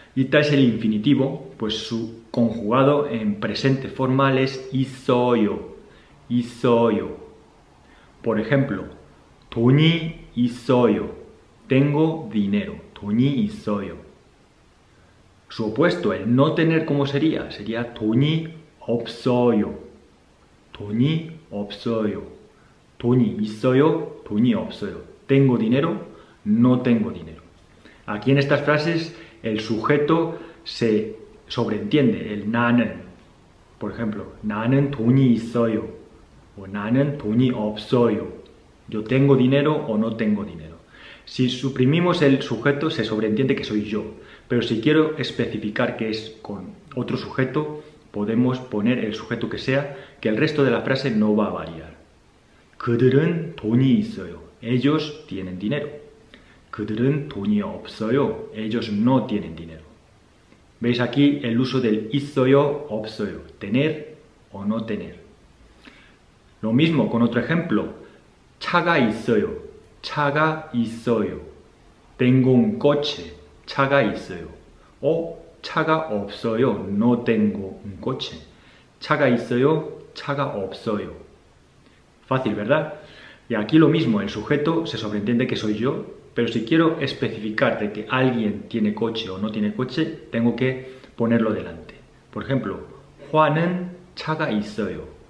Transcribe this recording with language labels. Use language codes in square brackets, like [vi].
[es] Itta es el infinitivo, pues su conjugado en presente formal es isoyo, isoyo. Por ejemplo, [ko] 돈이 있어요, [es] tengo dinero, 돈이 있어요. Su opuesto, el no tener, ¿cómo sería? [ko] Sería 돈이 없어요, 돈이 없어요, 돈이 있어요, 돈이 없어요. [es] Tengo dinero, no tengo dinero. Aquí en estas frases el sujeto se sobreentiende, el 나는. Por ejemplo, [ko] 나는 돈이 있어요 o 나는 돈이 없어요. [es] Yo tengo dinero o no tengo dinero. Si suprimimos el sujeto, se sobreentiende que soy yo. Pero si quiero especificar que es con otro sujeto, podemos poner el sujeto que sea, que el resto de la frase no va a variar. [ko] 그들은 돈이 있어요. [es] Ellos tienen dinero. [ko] 그들은 돈이 없어요. [es] Ellos no tienen dinero. Veis aquí el uso del [ko] 있어요, 없어요. [es] Tener o no tener. Lo mismo con otro ejemplo. [ko] 차가 있어요. 차가 있어요. [es] Tengo un coche. [ko] 차가 있어요. [es] O [ko] 차가 없어요. [es] No tengo un coche. [ko] 차가 있어요. 차가 없어요. [es] Fácil, ¿verdad? Y aquí lo mismo. El sujeto se sobreentiende que soy yo. Pero si quiero especificar de que alguien tiene coche o no tiene coche, tengo que ponerlo delante. Por ejemplo, [ko] 화는 차가 있어요.